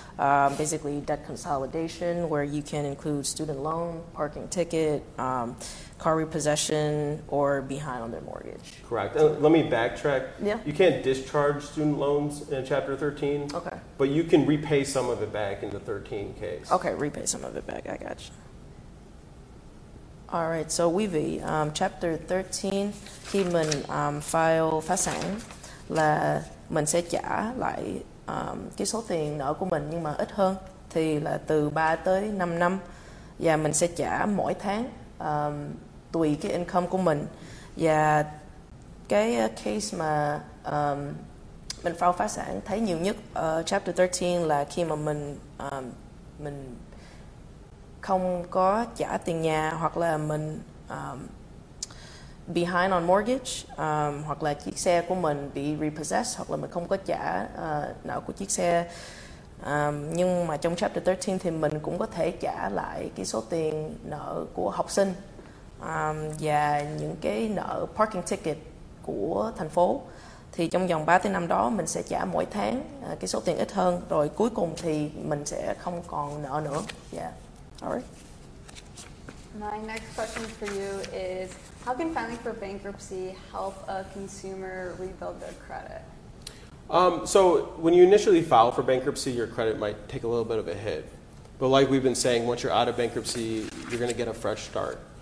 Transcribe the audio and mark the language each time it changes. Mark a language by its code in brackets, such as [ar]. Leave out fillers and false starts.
[en] Basically, debt consolidation, where you can include student loan, parking ticket, car repossession, or behind on their mortgage. Correct. Let me backtrack. Yeah. You can't discharge student loans in Chapter 13. Okay. But you can repay some of it back in the 13 case. Okay, repay some of it back. I got you. All right, so [vi] Weevy, Chapter 13, khi mình file phá sản là mình sẽ trả lại cái số tiền nợ của mình nhưng mà ít hơn thì là từ 3 tới 5 năm và mình sẽ trả mỗi tháng tùy cái income của mình. Và cái case mà mình file phá sản thấy nhiều nhất ở Chapter 13 là khi mà mình không có trả tiền nhà hoặc là mình [en] behind on mortgage [vi] hoặc là chiếc xe của mình bị repossessed hoặc là mình không có trả nợ của chiếc xe. Nhưng mà trong Chapter 13 thì mình cũng có thể trả lại cái số tiền nợ của học sinh và những cái nợ parking ticket của thành phố. Thì trong vòng 3 tới 5 đó mình sẽ trả mỗi tháng cái số tiền ít hơn, rồi cuối cùng thì mình sẽ không còn nợ nữa. [en] Yeah. All right. My next question for you is, how can filing for bankruptcy help a consumer rebuild their credit? So when you initially file for bankruptcy, your credit might take a little bit of a hit. But like we've been saying, once you're out of bankruptcy, you're going to get a fresh start.